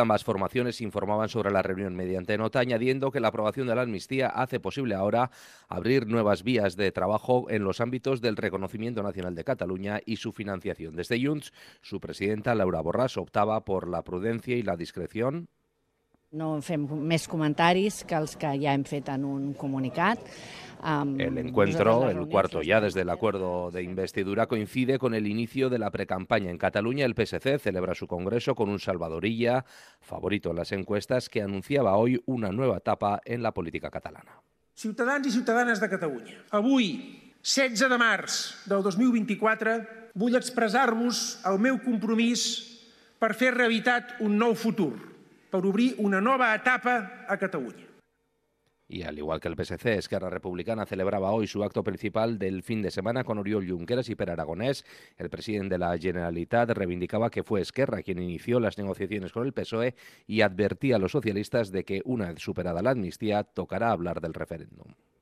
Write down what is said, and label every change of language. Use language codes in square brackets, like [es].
[es] Ambas formaciones informaban sobre la reunión mediante nota, añadiendo que la aprobación de la amnistía hace posible ahora abrir nuevas vías de trabajo en los ámbitos del reconocimiento nacional de Cataluña y su financiación. Desde Junts, su presidenta, Laura Borràs, optaba por la prudencia y la discreción. [ca] No fem més comentaris que els que ja hem fet en un comunicat. [es] El encuentro, el cuarto ya desde el acuerdo de investidura, coincide con el inicio de la precampaña en Cataluña. El PSC celebra su congreso con un Salvador Illa, favorito en las encuestas, que anunciaba hoy una nueva etapa en la política catalana. [ca] Ciutadans i ciutadanes de Catalunya, avui, 16 de març del 2024, vull expressar-vos el meu compromís per fer realitat un nou futur, per obrir una nova etapa a Catalunya. [es] Y al igual que el PSC, Esquerra Republicana celebraba hoy su acto principal del fin de semana con Oriol Junqueras y Pere Aragonès. El presidente de la Generalitat reivindicaba que fue Esquerra quien inició las negociaciones con el PSOE y advertía a los socialistas de que una vez superada la amnistía, tocará hablar del referéndum.